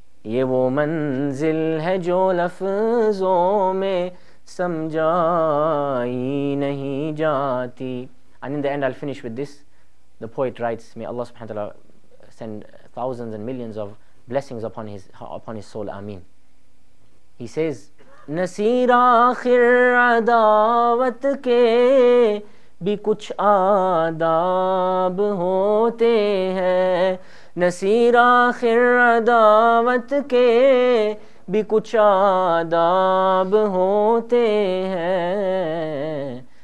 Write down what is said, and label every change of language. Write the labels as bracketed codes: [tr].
[ur] یہ وہ منزل ہے جو لفظوں میں سمجھائی نہیں جاتی. [en] And in the end, I'll finish with this. The poet writes, may Allah subhanahu wa ta'ala send thousands and millions of blessings upon his soul. Ameen. He says, [ur] Naseer آخر عداوت کے بھی کچھ آداب ہوتے ہیں. نصیر آخر عداوت کے بھی کچھ آداب ہوتے ہیں.